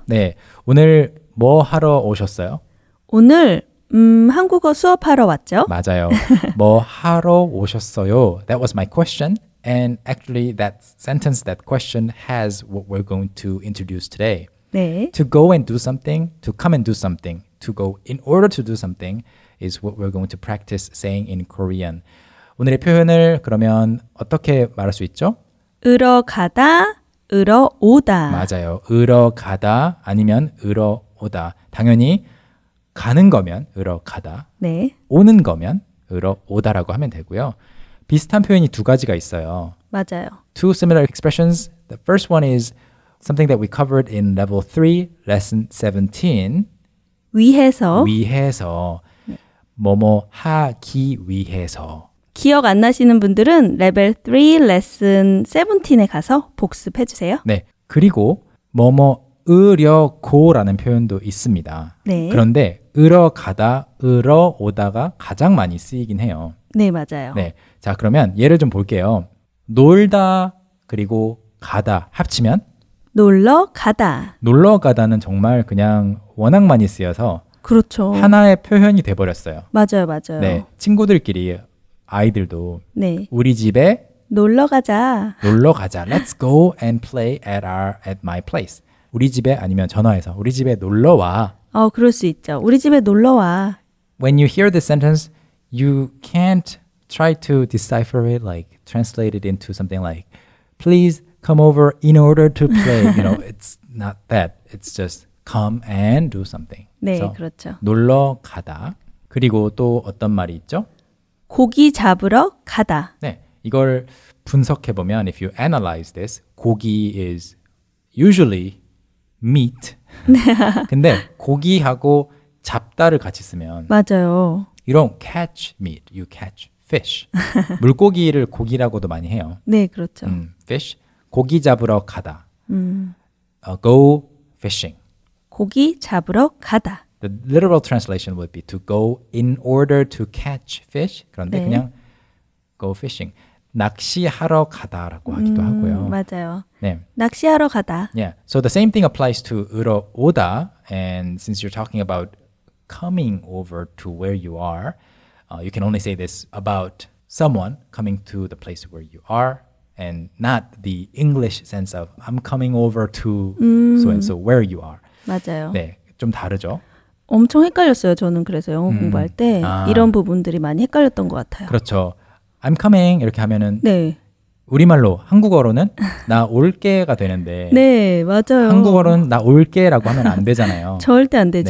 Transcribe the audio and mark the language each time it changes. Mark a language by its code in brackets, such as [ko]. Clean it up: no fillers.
[ko] 네, 오늘 뭐 하러 오셨어요? 오늘 한국어 수업하러 왔죠? 맞아요. 뭐 하러 오셨어요? [en] That was my question. And actually, that sentence, that question has what we're going to introduce today. [ko] 네. [en] To go and do something, to come and do something, to go in order to do something is what we're going to practice saying in Korean. [ko] 오늘의 표현을 그러면 어떻게 말할 수 있죠? 으러 가다, 으러 오다. 맞아요. 으러 가다 아니면 으러 오다. 당연히 가는 거면 으러 가다, 네. 오는 거면 으러 오다라고 하면 되고요. 비슷한 표현이 두 가지가 있어요. 맞아요. [en] Two similar expressions. The first one is something that we covered in level 3, lesson 17. [ko] 위해서. 위해서. 뭐뭐 하기 위해서. 기억 안 나시는 분들은 level 3, lesson 17에 가서 복습해 주세요. 네. 그리고 뭐뭐 으려고라는 표현도 있습니다. 네. 그런데 으러 가다, 으러 오다가 가장 많이 쓰이긴 해요. 네, 맞아요. 네. 자, 그러면 예를 좀 볼게요. 놀다 그리고 가다 합치면 놀러 가다. 놀러 가다는 정말 그냥 워낙 많이 쓰여서 그렇죠. 하나의 표현이 돼버렸어요. 맞아요, 맞아요. 네, 친구들끼리 아이들도 네. 우리 집에 놀러 가자. 놀러 가자. [en] Let's go and play at our at my place. [ko] 우리 집에 아니면 전화해서 우리 집에 놀러 와. 어, 그럴 수 있죠. 우리 집에 놀러 와. [en] When you hear this sentence, you can't try to decipher it, like translate it into something like, please come over in order to play. You know, it's not that. It's just come and do something. [ko] 네, so, 그렇죠. 놀러 가다. 그리고 또 어떤 말이 있죠? 고기 잡으러 가다. 네, 이걸 분석해보면, [en] if you analyze this, 고기 is usually meat. [ko] 네. 근데 고기하고 잡다를 같이 쓰면 맞아요. [en] You don't catch meat, you catch fish. [ko] 물고기를 고기라고도 많이 해요. 네, 그렇죠. [en] Fish. [ko] 고기 잡으러 가다. [en] Go fishing. [ko] 고기 잡으러 가다. [en] The literal translation would be to go in order to catch fish. [ko] 그런데 네. 그냥 [en] go fishing. [ko] 낚시하러 가다라고 하기도 하고요. 맞아요. 네. 낚시하러 가다. [en] Yeah. So the same thing applies to 으러 오다. And since you're talking about coming over to where you are, you can only say this about someone coming to the place where you are. And not the English sense of I'm coming over to so-and-so where you are. [ko] 맞아요. 네, 좀 다르죠? 엄청 헷갈렸어요. 저는 그래서 영어 공부할 때 이런 부분들이 많이 헷갈렸던 것 같아요. 그렇죠. [en] I'm coming [ko] 이렇게 하면은 네. 우리말로 한국어로는 나 올게가 되는데 네, 맞아요. 한국어로는 나 올게라고 하면 안 되잖아요. 절대 안 되죠.